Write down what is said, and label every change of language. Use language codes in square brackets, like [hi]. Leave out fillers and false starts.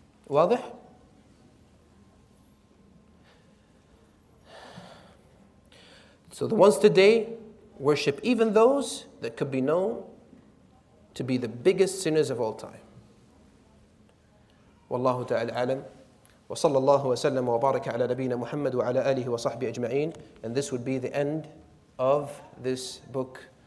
[en] واضح؟ So the ones today worship even those that could be known to be the biggest sinners of all time. [ar] Wallahu ta'ala alam. وصلى الله وسلم وبارك على نبينا محمد وعلى آله وصحبه أجمعين. [en] And this would be the end of this book.